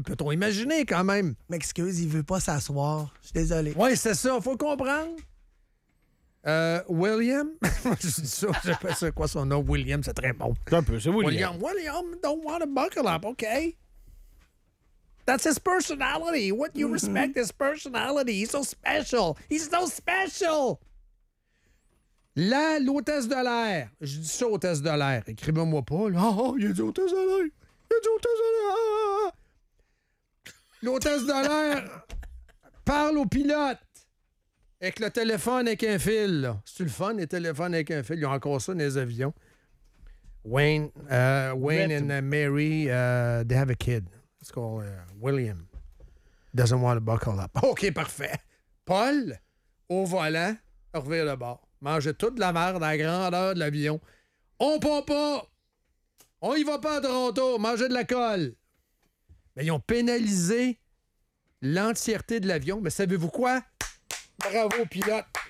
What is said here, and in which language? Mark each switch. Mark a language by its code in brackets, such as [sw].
[fr] Peut-on imaginer quand même? M'excuse, il veut pas s'asseoir. Je suis désolé. Oui, c'est ça. Faut comprendre. William? Je dis ça, je sais pas quoi son nom. William, c'est très bon. C'est un peu, c'est William. [en] William, William, don't want to buckle up, OK? That's his personality. What you respect his personality? He's so special. He's so special! [fr] Là, l'hôtesse de l'air. Je dis ça, hôtesse de l'air. Écrivez-moi pas. Là. Oh, il a dit hôtesse de l'air. Il a dit hôtesse de l'air. L'hôtesse de l'air parle au pilote. Avec le téléphone avec un fil, là. C'est-tu le fun, les téléphones avec un fil? Ils ont encore ça dans les avions. [en] Wayne and Mary, they have a kid. It's called William. Doesn't want to buckle up. [fr] OK, parfait. Paul, au volant, revire le bord. Mangez toute la merde à la grandeur de l'avion. On part pas! On y va pas à Toronto, mangez de la colle. Mais ils ont pénalisé l'entièreté de l'avion. Mais savez-vous quoi? Bravo, pilote.